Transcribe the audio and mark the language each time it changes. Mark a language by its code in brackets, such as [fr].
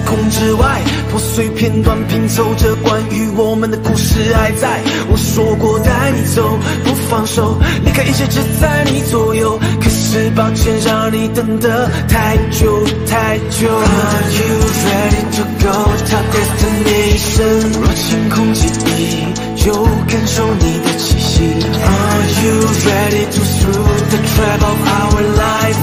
[zh] 之外，破碎片段拼凑着关于我们的故事还在。我说过带你走不放手，离开一切只在你左右，可是抱歉让你等得太久太久。 [en] Are you ready to go to destination？ [zh] 若清空记忆就感受你的气息。 [en] Are you ready to through the trouble of our life？